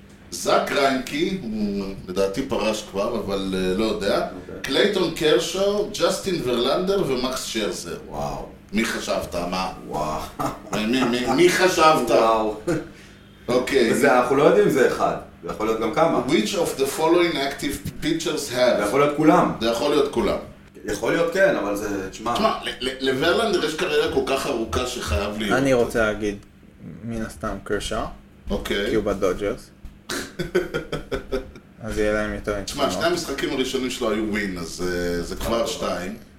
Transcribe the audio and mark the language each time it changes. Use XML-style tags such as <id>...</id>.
<he>זק ריינקי, הוא לדעתי פרש כבר, אבל לא יודע. קלייטון קרשו, ג'סטין ורלנדר ומקס שרזר. וואו. מי חשבת? מה? וואו. מי חשבת? וואו. אוקיי. וזה, אנחנו לא יודעים אם זה אחד. זה יכול להיות גם כמה.</he> <en>Which of the following active pitchers have?</en> <he>זה יכול להיות כולם. זה יכול להיות כולם. יכול להיות כן, אבל זה... תשמע. תשמע, לוורלנדר יש קריירה כל כך ארוכה שחייב להיות. אני רוצה להגיד מן הסתם קרשו. אוקיי. כי הוא בדודג'רס. אז יהיה להם יותר נצחונות. תשמע, שני המשחקים הראשונים שלו היו ווין, אז זה כבר שתיים.</he>